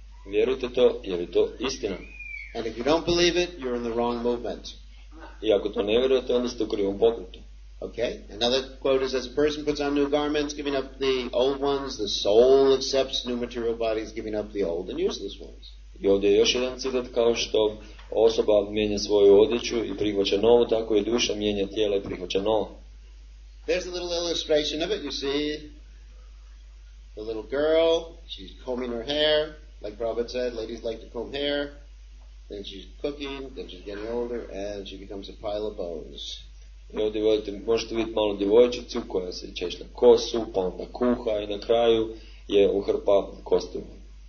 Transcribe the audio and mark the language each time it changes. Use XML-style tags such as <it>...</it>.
<hr>Vjerujte to, jer je to istina.</hr> <en>And if you don't believe it, you're in the wrong movement.</en> <hr>I ako to ne vjerujete, onda ste u krivom pokretu.</hr> <en>Okay, another quote is, as a person puts on new garments, giving up the old ones, the soul accepts new material bodies, giving up the old and useless ones.</en> <hr>I ovdje je još jedan citat, kao što osoba mijenja svoju odjeću i prihvaća novu, tako i duša mijenja tijela i prihvaća novo.</hr> <en>There's a little illustration of it, you see. the little girl, she's combing her hair. Like Prabhupada said, ladies like to comb hair. Then she's cooking, then she's getting older, and she becomes a pile of bones.</en> <hr>I ovdje možete vidjeti malu djevojčicu koja se češe na kosu, pa onda kuha i na kraju je uhrpa kostima.</hr>